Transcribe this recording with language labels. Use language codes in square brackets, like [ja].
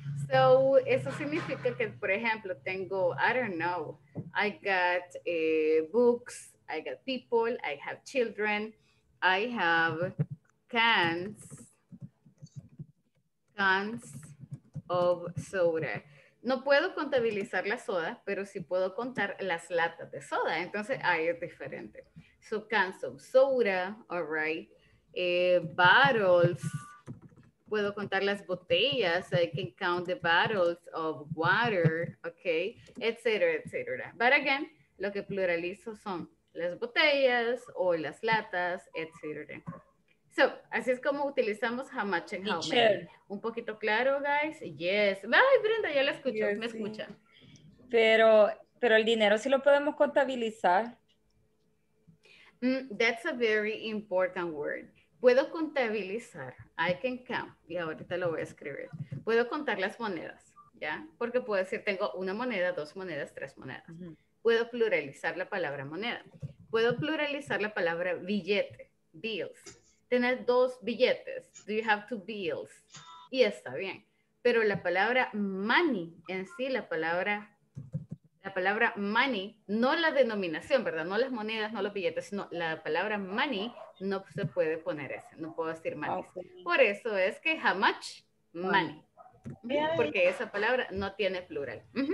[en] So, [es] eso significa que, por ejemplo, tengo, [en] I don't know, I got books, I got people, I have children, I have cans of soda. [es] No puedo contabilizar la soda, pero sí puedo contar las latas de soda. Entonces, ahí es diferente. [en] So, cans of soda, all right? Bottles, [es] puedo contar las botellas, [en] I can count the bottles of water, okay, etc., etc. But again, [es] lo que pluralizo son las botellas o las latas, etc. [en] So, [es] así es como utilizamos [en] how much and how many. [es] Un poquito claro, [en] guys. Yes. [es] Ay, Brenda, ya la escucho, yes, me sí. Escucha. Pero el dinero sí lo podemos contabilizar. [en] That's a very important word. [es] Puedo contabilizar, [en] I can count, [es] y ahorita lo voy a escribir. Puedo contar las monedas, ¿ya? Porque puedo decir, tengo una moneda, dos monedas, tres monedas. Puedo pluralizar la palabra moneda. Puedo pluralizar la palabra billete, bills. Tener dos billetes, [en] do you have two bills? [es] Y está bien. Pero la palabra money en sí, la palabra money, no la denominación, ¿verdad? No las monedas, no los billetes, sino la palabra money, no se puede poner ese, no puedo decir money. Okay. Por eso es que [en] how much money. [es] Porque esa palabra no tiene plural.